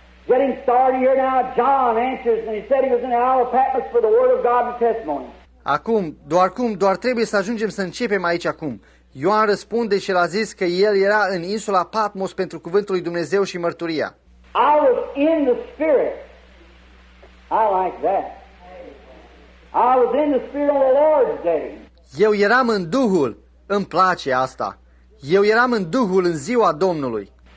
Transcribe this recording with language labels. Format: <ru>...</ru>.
<en>Getting started here now. John answers and he said he was in the Isle of Patmos for the word of God and testimony.</en> <ro>Acum, doar trebuie să ajungem să începem aici acum. Ioan răspunde și l-a zis că el era în insula Patmos pentru cuvântul lui Dumnezeu și mărturia.</ro> <en>I was in the spirit. I like that. I was in the spirit of the Lord's day.</en> <ro>Eu eram în Duhul. Îmi place asta. Eu eram în Duhul în ziua Domnului.</ro>